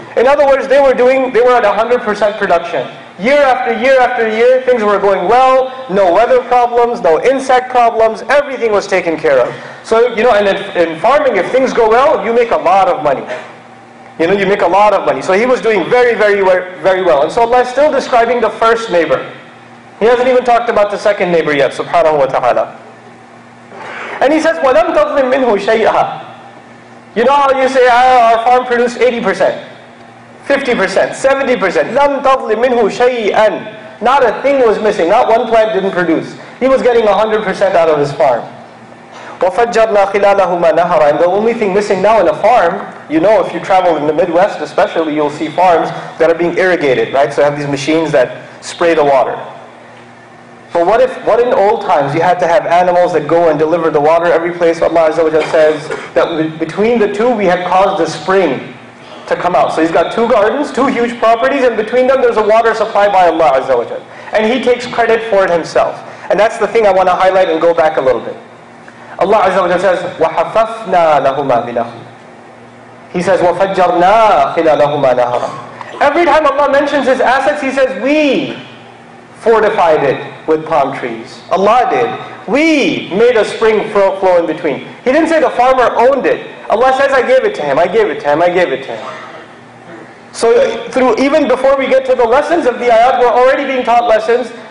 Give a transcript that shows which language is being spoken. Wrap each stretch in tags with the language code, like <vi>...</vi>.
<en>In other words, they were at 100% production. Year after year after year, things were going well, no weather problems, no insect problems, everything was taken care of. So, you know, and in farming, if things go well, you make a lot of money. You know, you make a lot of money. So he was doing very, very, very well. And so Allah is still describing the first neighbor. He hasn't even talked about the second neighbor yet, subhanahu wa ta'ala.</en> <ar>And he says, وَلَمْ تَظْلِمْ مِنْهُ شَيْئًا.</ar> <en>You know how you say, our farm produced 80%, 50%, 70%.</en> <ar>لَمْ تَظْلِمْ مِنْهُ شَيْئًا.</ar> <en>Not a thing was missing, not one plant didn't produce. He was getting 100% out of his farm.</en> <ar>وَفَجَّرْنَا خِلَالَهُمَا نَهَرًا.</ar> <en>And the only thing missing now in a farm, you know, if you travel in the Midwest especially, you'll see farms that are being irrigated, right? So they have these machines that spray the water. But what in old times you had to have animals that go and deliver the water every place? Allah Azza wa Jalla says that between the two we had caused a spring to come out. So he's got two gardens, two huge properties, and between them there's a water supply by Allah Azza wa Jalla. And he takes credit for it himself. And that's the thing I want to highlight and go back a little bit.</en> <ar>Allah Azza wa Jalla says, وَحَفَفْنَا لَهُمَا بِنَهُمْ. He says, وَفَجَّرْنَا خِلَالَهُمَا نَهَرًا.</ar> <en>Every time Allah mentions his assets, he says, we fortified it with palm trees. Allah did. We made a spring flow in between. He didn't say the farmer owned it. Allah says, I gave it to him, I gave it to him, I gave it to him. So through even before we get to the lessons of the ayat, we're already being taught lessons.</en>